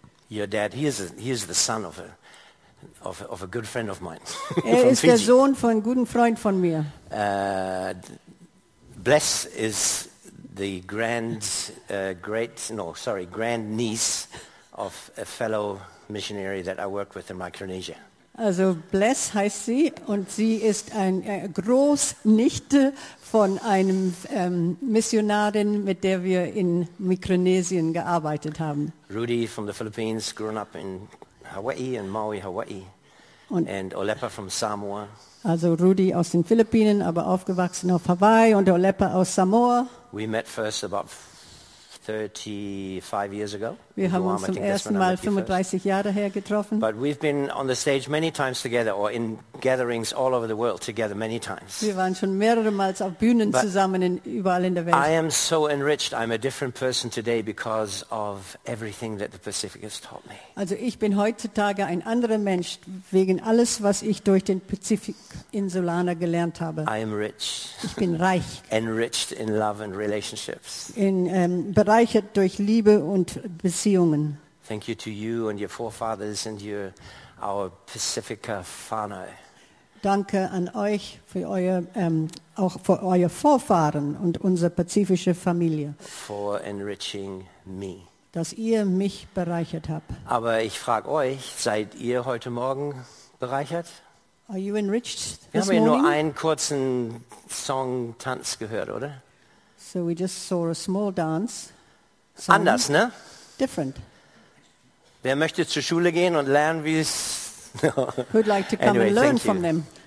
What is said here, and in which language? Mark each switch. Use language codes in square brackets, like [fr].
[en] Your dad, he is the son of a good friend of mine. [de] Er ist Fiji. Der Sohn von einem guten Freund von mir. [en] Bless is the grandniece of a fellow missionary that I worked with in Micronesia. [de] Also Bless heißt sie und sie ist eine Großnichte von einem Missionarin, mit der wir in Mikronesien gearbeitet haben. [en] Rudy from the Philippines, grown up in Hawaii and Maui, Hawaii. And Olepa from Samoa. [de] Also Rudy aus den Philippinen, aber aufgewachsen auf Hawaii und Olepa aus Samoa. [en] We met first about 35 years ago. [de] Wir haben uns zum ersten Mal 35 Jahre her getroffen. [en] But we've been on the stage many times together or in gatherings all over the world together many times. [de] Wir waren schon mehrere Mal auf Bühnen zusammen überall in der Welt. [en] I am so enriched. I'm a different person today because of everything that the Pacific has taught me. [de] Also ich bin heutzutage ein anderer Mensch wegen alles, was ich durch den Pazifik Insulaner gelernt habe. [en] I am rich. [de] Ich bin reich. [en] Enriched in love and relationships. [de] Bereichert durch Liebe und Beziehungen. [en] Thank you to you and your forefathers and your our Pacifica fauna. [de] Danke an euch für euer auch für euer Vorfahren und unsere pazifische Familie. [en] For enriching me. [de] Dass ihr mich bereichert habt. Aber ich frage euch, seid ihr heute Morgen bereichert? [en] Are you enriched this morning? [de] Wir haben ja nur einen kurzen Song-Tanz gehört, oder? [en] So we just saw a small dance. [de] Song. Anders, ne? [en] Different. [de] Wer möchte zur Schule gehen und lernen, wie es... [en] Who'd like to come anyway, and learn from them?